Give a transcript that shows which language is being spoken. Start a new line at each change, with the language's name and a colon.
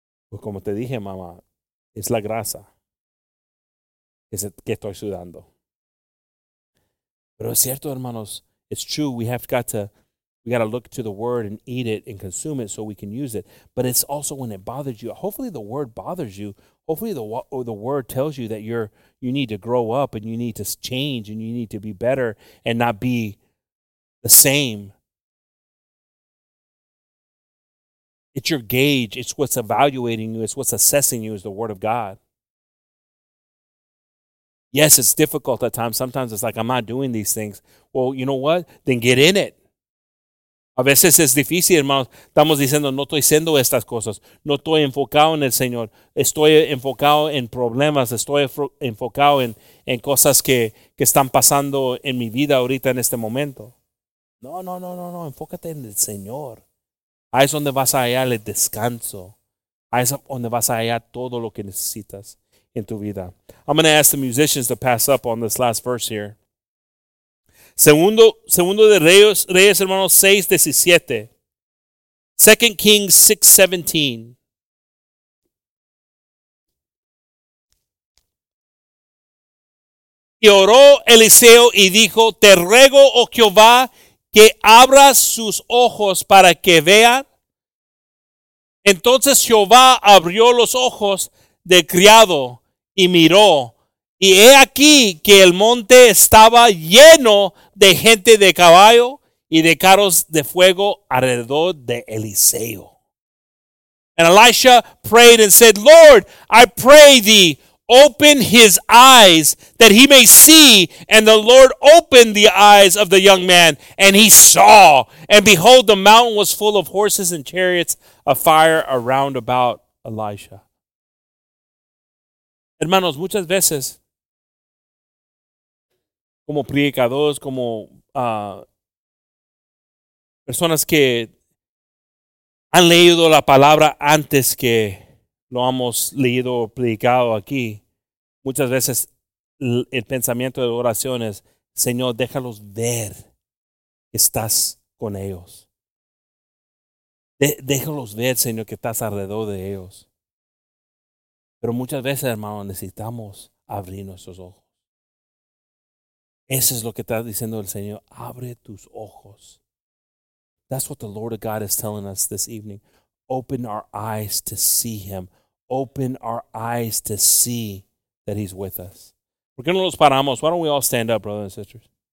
Spanish: Pues como te dije, mamá, es la grasa que estoy sudando. Pero es cierto, hermanos,
English: it's true, we got to look to the word and eat it and consume it so we can use it. But it's also when it bothers you. Hopefully the word bothers you. Hopefully the word tells you that you need to grow up and you need to change and you need to be better and not be the same. It's your gauge. It's what's evaluating you. It's what's assessing you is the word of God. Yes, it's difficult at times. Sometimes it's like, I'm not doing these things. Well, you know what? Then get in it.
Spanish: A veces es difícil, hermanos. Estamos diciendo, no estoy haciendo estas cosas. No estoy enfocado en el Señor. Estoy enfocado en problemas. Estoy enfocado en cosas que están pasando en mi vida ahorita en este momento. No. Enfócate en el Señor. Ahí es donde vas a hallar el descanso. Ahí es donde vas a hallar todo lo que necesitas en tu vida.
English: I'm going to ask the musicians to pass up on this last verse here.
Spanish: Segundo de Reyes, hermanos, 6:17.
English: 2 Kings 6:17.
Spanish: Y oró Eliseo y dijo, te ruego, oh Jehová, que abras sus ojos para que vean. Entonces Jehová abrió los ojos del criado y miró. Y he aquí que el monte estaba lleno de gente de caballo y de carros de fuego alrededor de Eliseo.
English: And Elisha prayed and said, Lord, I pray thee, open his eyes that he may see. And the Lord opened the eyes of the young man, and he saw. And behold, the mountain was full of horses and chariots of fire around about Elisha.
Spanish: Hermanos, muchas veces, como predicadores, como personas que han leído la palabra antes que lo hemos leído o predicado aquí, muchas veces el pensamiento de oración es, Señor, déjalos ver que estás con ellos. Déjalos ver, Señor, que estás alrededor de ellos. Pero muchas veces, hermano, necesitamos abrir nuestros ojos. Eso es lo que está diciendo el Señor. Abre tus ojos.
English: That's what the Lord of God is telling us this evening. Open our eyes to see Him. Open our eyes to see that He's with us.
Spanish: ¿Por qué no nos paramos?
English: Why don't we all stand up, brothers and sisters?